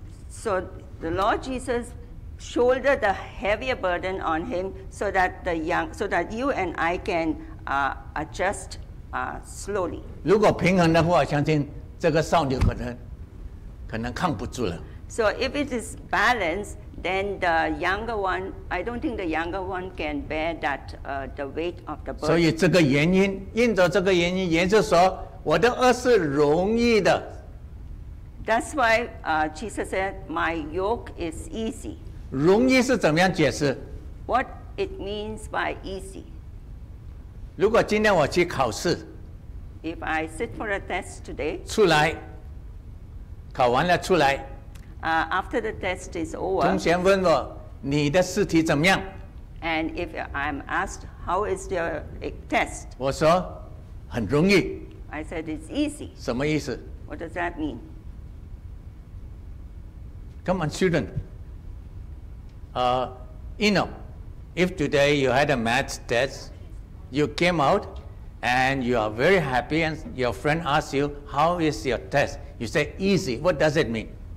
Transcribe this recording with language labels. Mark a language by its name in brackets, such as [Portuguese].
[English] So the Lord Jesus shouldered the heavier burden on him so that you and I can adjust slowly. [Chinese] 如果平衡的话, 相信这个少女可能扛不住了。 [English] So if it is balanced, then the younger one, I don't think the younger one can bear that the weight of the burden. [Chinese] 所以这个原因，因着这个原因， 耶稣说，我的轭是容易的。 [English] That's why Jesus said, my yoke is easy. [Chinese] 容易是怎么样解释？ [English] What it means by easy? [Chinese] 如果今天我去考试， [English] If I sit for a test today, [Chinese] 出来， 考完了出来， [English] After the test is over, [Chinese] 同学问我, 你的试题怎么样？ [English] And if I'm asked, how is your test? [Chinese] 我说, 很容易。 [English] I said, it's easy. [Chinese] 什么意思？ [English] What does that mean? Come on, student. If today you had a math test, you came out, and you are very happy, and your friend asks you, how is your test? You say, easy. What does it mean?